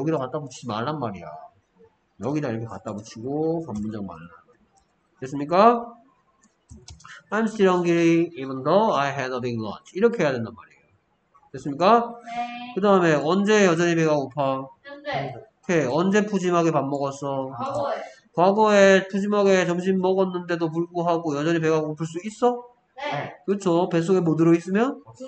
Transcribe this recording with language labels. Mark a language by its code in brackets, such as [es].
[ko] 여기다 갖다 붙이지 말란 말이야. 여기다 이렇게 갖다 붙이고 반문장 말란 말이야. 됐습니까? [en] I'm still hungry even though I had a big lunch. [ko] 이렇게 해야 된단 말이에요. 됐습니까? 네. 그 다음에 언제 여전히 배가 고파? 현재. 언제 푸짐하게 밥 먹었어? 과거에. 과거에 푸짐하게 점심 먹었는데도 불구하고 여전히 배가 고플 수 있어? 네. 그렇죠. 뱃속에 뭐 들어있으면?